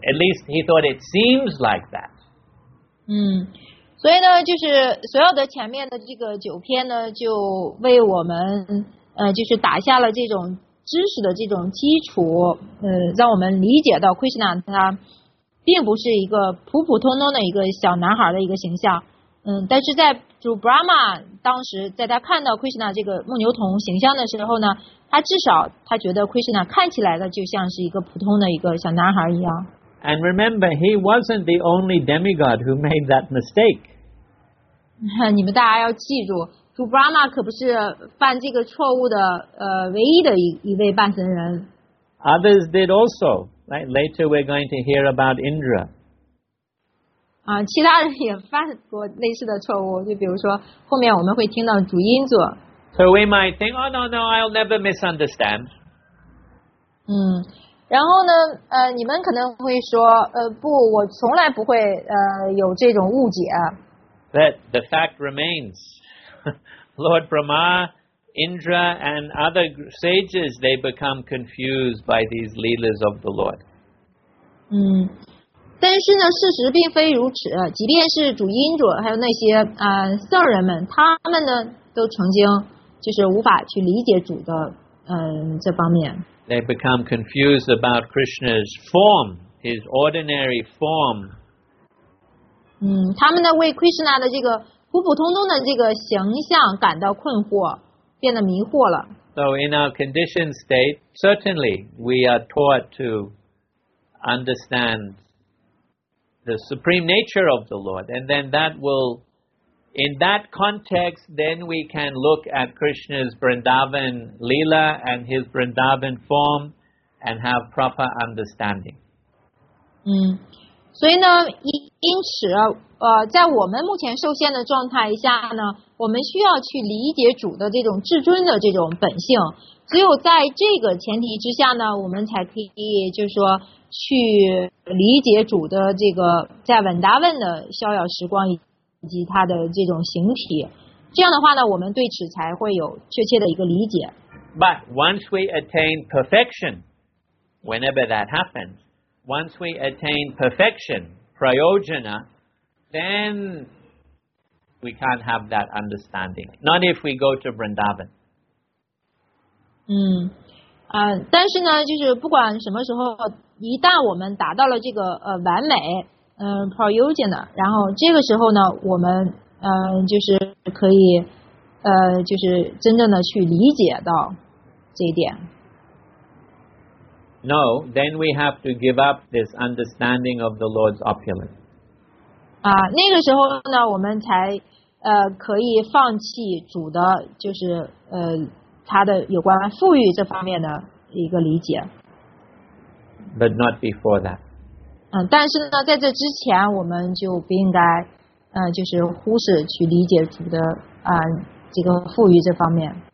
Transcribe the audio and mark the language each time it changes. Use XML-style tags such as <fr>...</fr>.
<en>At least he thought it seems like that.</en> <zh>所以呢，就是所有的前面的这个九篇呢，就为我们就是打下了这种知识的这种基础，让我们理解到 Krishna 他并不是一个普普通通的一个小男孩的一个形象。但是在主 Brahma 当时在他看到 Krishna 这个牧牛童形象的时候呢。他至少他觉得 Krishna 看起来的就像是一个普通的一个小男孩一样。</zh> <en>And remember, he wasn't the only demigod who made that mistake.</en> <zh>你们大家要记住，主 Brahma 可不是犯这个错误的唯一的一位半神人。</zh> <en>Others did also. Right? Later we're going to hear about Indra.</en> <zh>其他人也犯过类似的错误，就比如说后面我们会听到主因者。</zh> <en>So we might think, oh, no, I'll never misunderstand.</en> <zh>然后呢你们可能会说不我从来不会有这种误解。</zh> <en>But the fact remains, Lord Brahma, Indra, and other sages, they become confused by these leelas of the Lord.</en> <zh>但是呢事实并非如此即便是主因者还有那些圣人们他们呢都曾经就是无法去理解主的这方面。</zh> <en>They become confused about Krishna's form, his ordinary form.</en> <zh>他们呢为 Krishna 的这个普普通通的这个形象感到困惑，变得迷惑了。</zh> <en>So in our conditioned state, certainly we are taught to understand the supreme nature of the Lord, and then that will. In that context, then we can look at Krishna's Vrindavan Leela and his Vrindavan form and have proper understanding.</en> <zh>所以呢，因此，在我们目前受限的状态下呢，我们需要去理解主的这种至尊的这种本性。只有在这个前提之下呢，我们才可以就是说去理解主的这个在 Vrindavan 的逍遥时光以及它的这种形体，这样的话呢，我们对此才会有确切的一个理解。</zh> <en>But once we attain perfection, whenever that happens, once we attain perfection, prayojana, then we can't have that understanding. Not if we go to Vrindavan.</en> <zh>但是呢，就是不管什么时候，一旦我们达到了这个完美。 Prayojana， 然后这个时候呢，我们就是可以就是真正的去理解到这一点。</zh> <en>No, then we have to give up this understanding of the Lord's opulence.</en> <zh>啊，那个时候呢，我们才可以放弃主的，就是他的有关富裕这方面的一个理解。</zh> <en>But not before that.</en> <zh>但是呢，在这之前，我们就不应该就是忽视去理解主的这个富裕这方面。</zh>